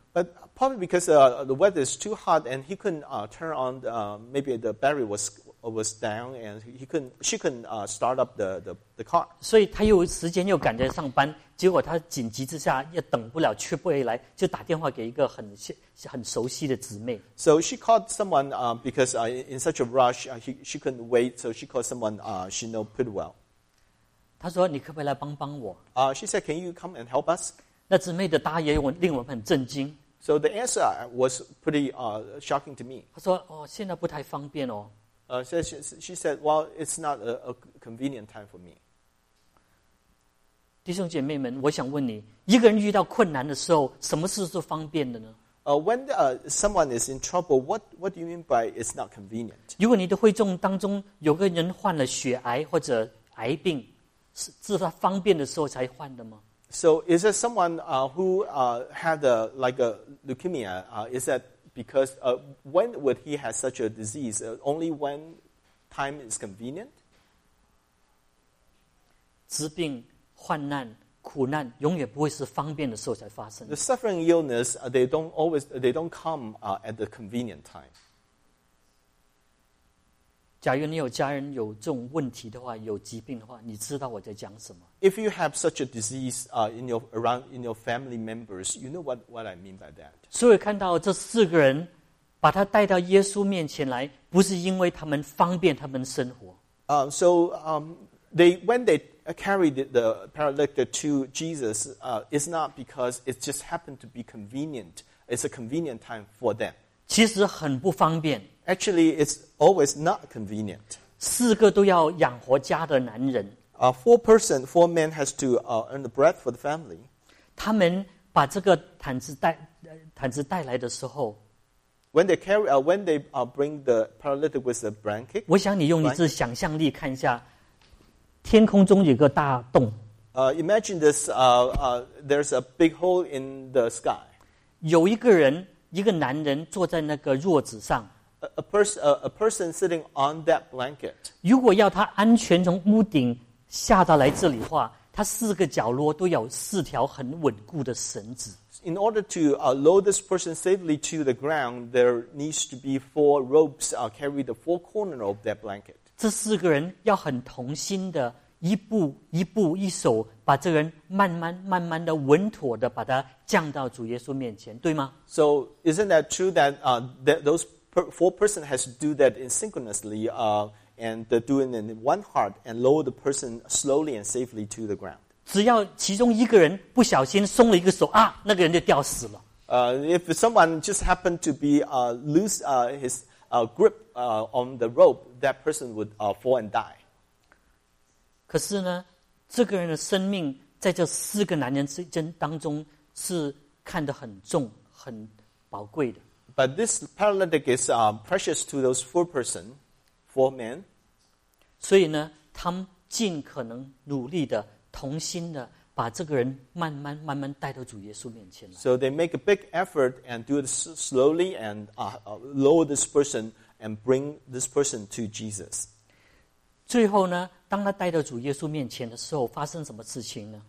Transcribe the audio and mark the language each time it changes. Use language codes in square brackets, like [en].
[en] But probably because the weather is too hot and he couldn't turn on maybe the battery was down and she couldn't start up the car. [zh] 所以他又时间又赶着上班，结果他紧急之下也等不了，去不回来，就打电话给一个很熟悉的姊妹。 [en] So she called someone because in such a rush, she couldn't wait, so she called someone she know pretty well. [zh] 他说你可不可以来帮帮我？ [en] She said, can you come and help us? [zh] 那姊妹的答也令我们很震惊。 [en] So the answer was pretty shocking to me. [zh] 他说哦，现在不太方便哦。 [en] She said, well, it's not a convenient time for me. [zh] 弟兄姐妹们，我想问你，一个人遇到困难的时候，什么事是方便的呢？ [en] When someone is in trouble, what do you mean by it's not convenient? [zh] 如果你的会众当中有个人患了血癌或者癌病，是他方便的时候才患的吗？ [en] So is there someone who had a leukemia? Is that because when would he have such a disease? Only when time is convenient? [zh] 疾病、患难。苦难永远不会是方便的时候才发生。 [en] The suffering illness, they don't come at the convenient time. [zh] 假如你有家人有这种问题的话，有疾病的话，你知道我在讲什么。 [en] If you have such a disease in your family members, you know what I mean by that. [zh] 所以看到这四个人把他带到耶稣面前来，不是因为他们方便他们生活。 [en] So they carried the paralytic to Jesus, it's not because it just happened to be convenient. It's a convenient time for them. [zh] 其实很不方便。 [en] Actually, it's always not convenient. [zh] 四个都要养活家的男人。 [en] Four men has to earn the bread for the family. [zh] 他们把这个毯子带来的时候。 [en] When they bring the paralytic with the blanket. [zh] 我想你用你自己想象力看一下。天空中有个大洞。 [en] Imagine this. There's a big hole in the sky. [zh] 有一个人，一个男人坐在那个褥子上。 [en] A person sitting on that blanket. [zh] 如果要他安全从屋顶下到来这里的话，他四个角落都有四条很稳固的绳子。 [en] In order to load this person safely to the ground, there needs to be four ropes carry the four corners of that blanket. [zh] 这四个人要很同心的一步一步一手把这个人慢慢慢慢的稳妥的把他降到主耶稣面前，对吗？ [en] So isn't that true that those four person has to do that in synchronously and do it in one heart and lower the person slowly and safely to the ground. [zh] 只要其中一个人不小心松了一个手啊，那个人就吊死了。 [en] If someone just happened to be lose his grip on the rope, that person would fall and die. [zh] 可是呢，这个人的生命在这四个男人之间当中是看得很重、很宝贵的。 [en] But this paralytic is precious to those four person, four men. [zh] 所以呢，他们尽可能努力的、同心的。把这个人慢慢慢慢带到主耶稣面前来。 [en] So they make a big effort and do it slowly and lower this person and bring this person to Jesus. [zh] 最后呢，当他带到主耶稣面前的时候，发生什么事情呢